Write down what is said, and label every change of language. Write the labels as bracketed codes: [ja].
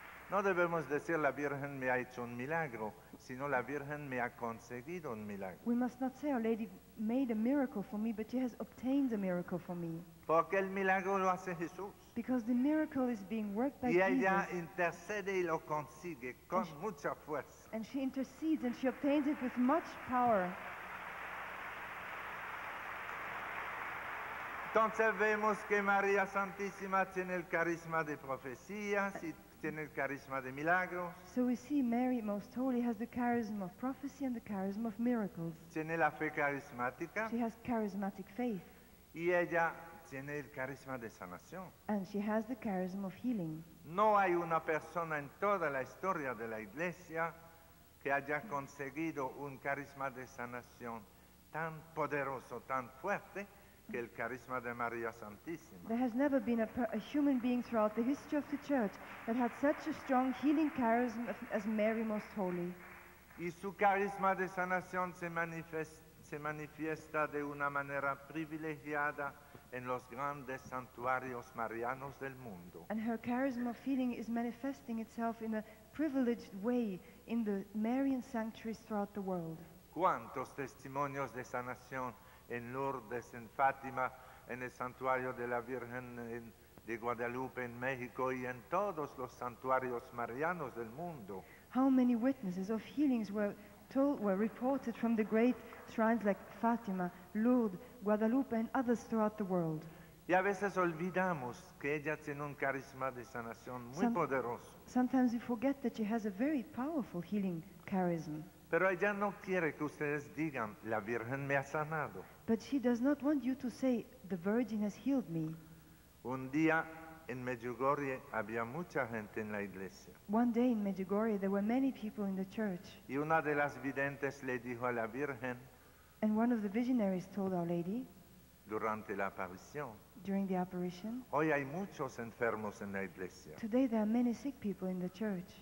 [es] No debemos decir la Virgen me ha hecho un milagro, sino la Virgen me ha conseguido un milagro. [en] We must not say Our Lady made a miracle for me, but she has obtained a miracle for me. [es] Porque el milagro lo hace Jesús. [en] Because the miracle is being worked by Jesus. [es] Y ella intercede y lo consigue con mucha fuerza. [en] And she intercedes and she obtains it with much power. [es] Entonces vemos que María Santísima tiene el carisma de profecías y tiene el carisma de milagros. [en] So we see Mary Most Holy has the charism of prophecy and the charism of miracles. [es] Tiene la fe carismática. [en] She has charismatic faith. [es] Y ella tiene el carisma de sanación. [en] And she has the charism of healing. [es] No hay una persona en toda la historia de la Iglesia que haya conseguido un carisma de sanación tan poderoso, tan fuerte, que el carisma de María Santísima. [en] There has never been a human being throughout the history of the Church that had such a strong healing charism as Mary Most Holy. [es] Y su carisma de sanación se manifiesta de una manera privilegiada en los grandes santuarios marianos del mundo. [en] And her charism of healing is manifesting itself in a privileged way in the Marian sanctuaries throughout the world. [es] ¿Cuántos testimonios de sanación en Lourdes, en Fátima, en el santuario de la Virgen de Guadalupe en México y en todos los santuarios marianos del mundo? [en] How many witnesses of healings were reported from the great shrines like Fátima, Lourdes, Guadalupe and others throughout the world? [es] Y a veces olvidamos que ella tiene un carisma de sanación muy poderoso. [en] Sometimes we forget that she has a very powerful healing charism. [es] Pero ella no quiere que ustedes digan, la Virgen me ha sanado. [en] But she does not want you to say, the Virgin has healed me. [es] Un día en Medjugorje había mucha gente en la iglesia. [en] One day in Medjugorje there were many people in the church. [es] Y una de las videntes le dijo a la Virgen. [en] And one of the visionaries told Our Lady. [es] Durante la aparición. [en] During the apparition. [es] Hoy hay muchos enfermos en la iglesia. [en] Today there are many sick people in the church.